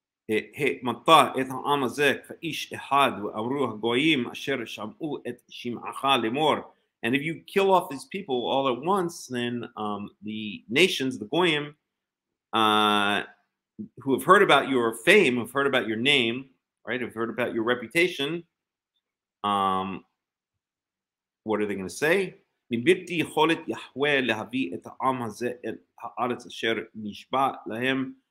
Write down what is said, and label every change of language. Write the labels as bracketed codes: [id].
[he] והמתה את העם הזה כאיש אחד ואמרו הגויים אשר שמעו את שמעך לאמור. [en] And if you kill off these people all at once, then the nations, the goyim, who have heard about your fame, have heard about your name, right, have heard about your reputation, what are they going to say? [he] מבלתי יכולת יחווה להביא את העם הזה אל הארץ אשר נשבע להם.